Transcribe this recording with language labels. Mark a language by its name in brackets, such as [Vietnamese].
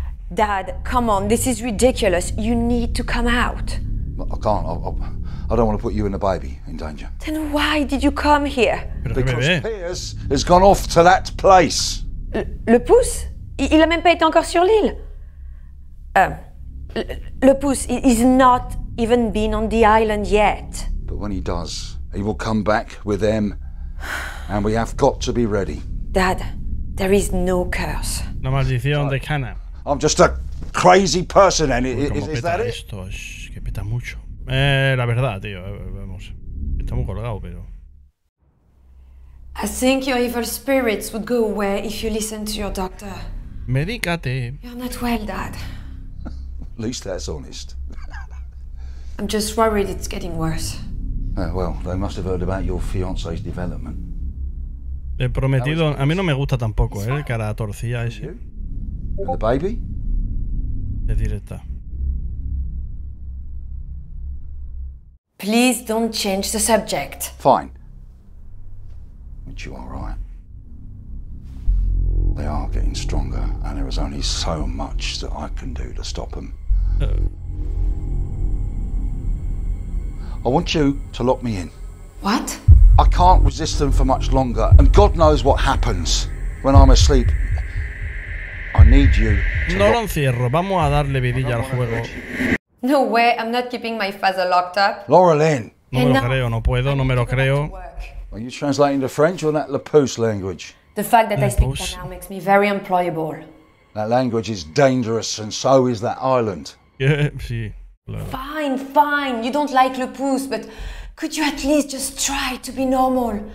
[English] Dad, come on, this is ridiculous. You need to come out. I can't. I don't want to put you and the baby in danger. Then why did you come here? Because Piers has gone off to that place. [French] Le pouce? Il a même pas été encore sur l'île. [English] Le Pouce, he's not even been on the island yet. But when he does, he will come back with them. And we have got to be ready. Dad, there is no curse. [Spanish] La maldición de Cana. [English] I'm just a crazy person, and is that it? [Spanish] Esto es que peta mucho. La verdad, tío, vamos. Estamos colgados, pero... [English] I think your evil spirits would go away if you listened to your doctor. [Spanish] Medícate. [English] You're not well, Dad. At least that's honest. I'm just worried it's getting worse. Well, they must have heard about your fiance's development. [Spanish] El prometido, a mí no me gusta tampoco, ¿eh? Cara torcida ese. [English] And the baby? [Spanish] Es directa. [English] Please don't change the subject. Fine. But you are right. They are getting stronger, and there is only so much that I can do to stop them. I want you to lock me in. What? I can't resist them for much longer, and God knows what happens when I'm asleep. I need you to [Spanish] No lo encierro, vamos a darle vidilla al juego. [English] No way, I'm not keeping my father locked up. Laura Lynn. [Spanish] No me lo creo, no puedo, no me lo creo. [English] Are you translating to French or that Le Pouce language? The fact that I speak Canal makes me very employable. That language is dangerous, and so is that island. Yeah, sí. Fine, fine. You don't like Le Pouce, but could you at least just try to be normal?